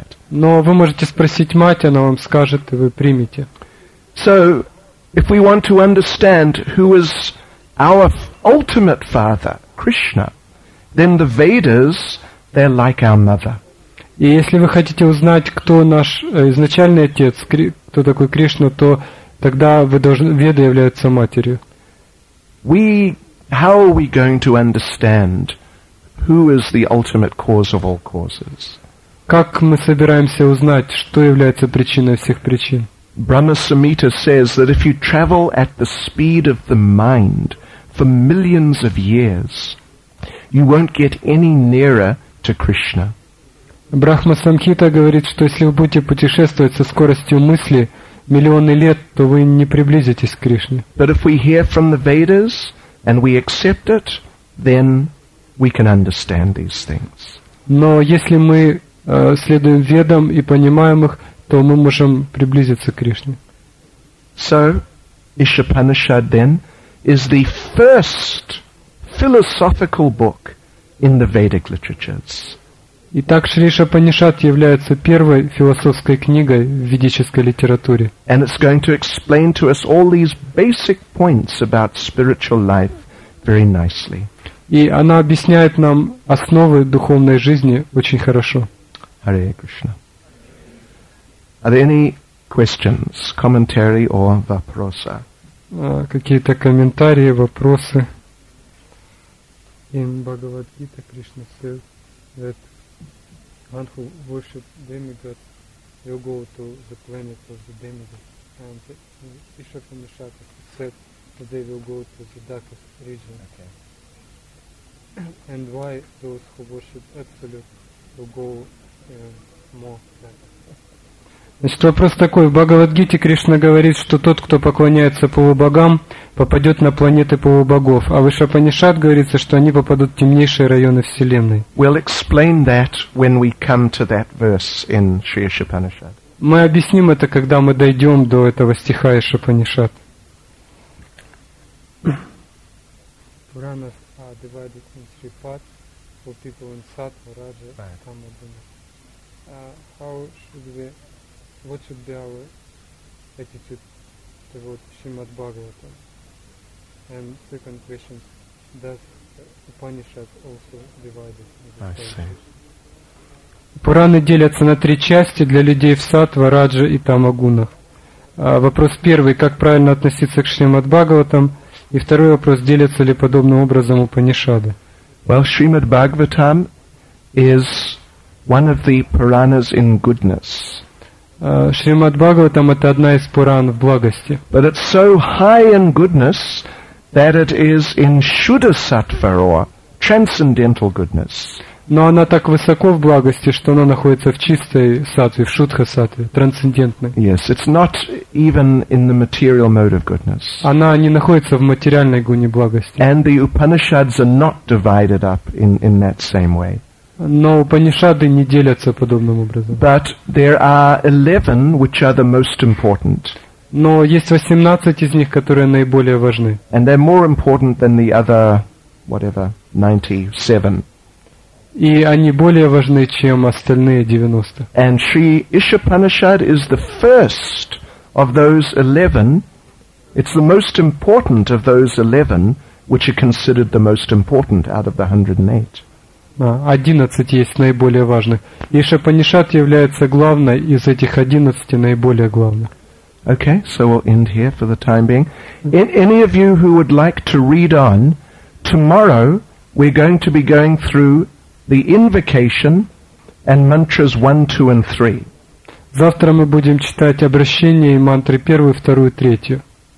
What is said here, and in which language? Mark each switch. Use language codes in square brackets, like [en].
[ru] Но вы можете спросить мать, она вам скажет, и вы примете. [en] So, if we want to understand who is our ultimate father, Krishna, then the Vedas, they're like our mother. [ru] И если вы хотите узнать, кто наш изначальный отец, кто такой Кришна, то тогда вы должны, Веды являются матерью. [en] How are we going to understand who is the ultimate cause of all causes? [ru] Как мы собираемся узнать, что является причиной всех причин? [en] Brahma Samhita says that if you travel at the speed of the mind for millions of years, you won't get any nearer to Krishna. [ru] Брахма Самхита говорит, что если вы будете путешествовать со скоростью мысли миллионы лет, то вы не приблизитесь к Кришне. [en] But if we hear from the Vedas and we accept it, then we can understand these things. [ru] Но если мы следуем Ведам и понимаем их, то мы можем приблизиться к Кришне. [en] So, Ishapanishad then is the first philosophical book in the Vedic literatures. [ru] Итак, Шри Ишапанишад является первой философской книгой в ведической литературе. [en] And it's going to explain to us all these basic points about spiritual life very nicely. [ru] И она объясняет нам основы духовной жизни очень хорошо. [en] Hare Krishna. Are there any questions, commentary or vapros? [ru] Какие-то комментарии, вопросы? [en] In Bhagavad Gita, Krishna says that one who worship demigods, you go to the planet of the demigods. And the Ishapanishad said that they will go to the darkest region. Okay. And why those who worship absolute will go more better? [ru] Значит, вопрос такой. В Бхагавадгите Кришна говорит, что тот, кто поклоняется полубогам, попадет на планеты полубогов. А в Ишапанишад говорится, что они попадут в темнейшие районы Вселенной. [en] We'll explain that when we come to that verse in Shri Ishapanishad. [ru] Мы объясним это, когда мы дойдем до этого стиха Ишапанишад. [en] Puranas are divided in three parts for people in Sattva, Raja, Tamaduna. How should we... What should be our attitude towards Srimad Bhagavatam? And second question, does Upanishad also divide it? [ru] Пураны делятся на три части для людей в сатва, раджа и тамагуна. Вопрос первый, как правильно относиться к Шримад Бхагаватам? И второй вопрос, делятся ли подобным образом Упанишады? [en] Well, Srimad Bhagavatam is one of the Puranas in goodness. [ru] Шримад Бхагаватам это одна из Пуран в благости. [en] But it's so high in goodness that it is in Shuddha Sattva or transcendental goodness. [ru] Но она так высоко в благости, что она находится в чистой сатве, в Шудха Сатве, трансцендентной. [en] Yes, it's not even in the material mode of goodness. [ru] Она не находится в материальной гуне благости. [en] And the Upanishads are not divided up in that same way. [ru] Но Упанишады не делятся подобным образом. [en] But there are 11 which are the most important. [ru] Но есть 18 из них, которые наиболее важны. [en] And they're more important than the other, whatever, 97. [ru] И они более важны, чем остальные 90. [en] And Sri Ishapanishad is the first of those 11. It's the most important of those 11, which are considered the most important out of the 108. [ru] 11 есть наиболее важных. Ишапанишад является главной из этих 11 наиболее главных. [en] Okay, so we'll end here for the time being. Any of you who would like to read on, tomorrow we're going to be going through the invocation and mantras 1, 2 and 3. [ru] Завтра мы будем читать обращение и мантры 1, 2, 3.